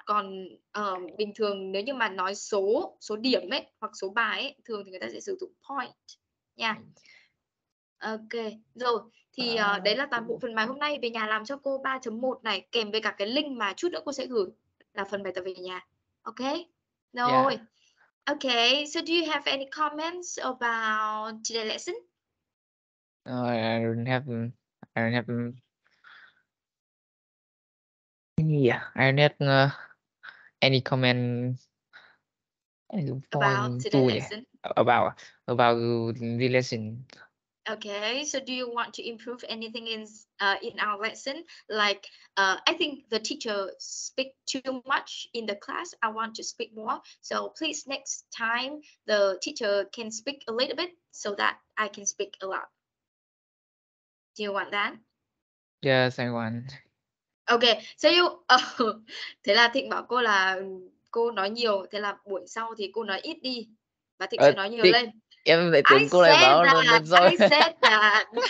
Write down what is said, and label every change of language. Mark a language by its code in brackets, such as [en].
[vi] Còn bình thường nếu như mà nói số, số điểm ấy, hoặc số bài ấy, thường thì người ta sẽ sử dụng point nha. Ok, rồi. Thì đấy là toàn bộ phần bài hôm nay. Về nhà làm cho cô 3.1 này, kèm với cả cái link mà chút nữa cô sẽ gửi, là phần bài tập về nhà. Ok, rồi. Yeah. [en] Ok, so do you have any comments about today's lesson? I don't have yeah, I don't have any comment about the lesson. Okay, so do you want to improve anything in our lesson? Like, I think the teacher speak too much in the class. I want to speak more. So please, next time the teacher can speak a little bit so that I can speak a lot. Do you want that? Yes, I want. Okay, so you, [vi] thế là Thịnh bảo cô là cô nói nhiều, thế là buổi sau thì cô nói ít đi và Thịnh sẽ nói nhiều lên. Em lại tưởng [en] I [vi] cô lại bảo luôn [en] that, [vi] rồi. [en] I said that.